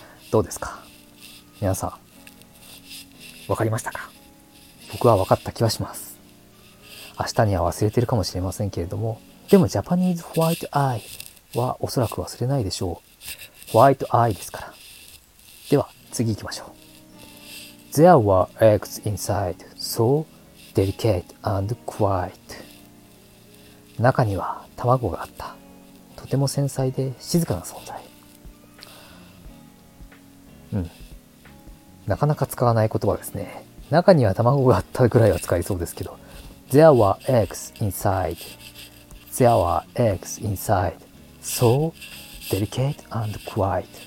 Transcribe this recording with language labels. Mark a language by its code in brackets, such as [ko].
[ja] どうですか皆さん、わかりましたか。僕はわかった気はします。明日には忘れてるかもしれませんけれども、でもジャパニーズホワイトアイはおそらく忘れないでしょう。ホワイトアイですから。では次行きましょう。 [en] There were eggs inside, so delicate and quiet. [ja] 中には卵があった。とても繊細で静かな存在。なかなか使わない言葉ですね。中には卵があったぐらいは使いそうですけど、 [en] There were eggs inside, There were eggs inside, so delicate and quiet.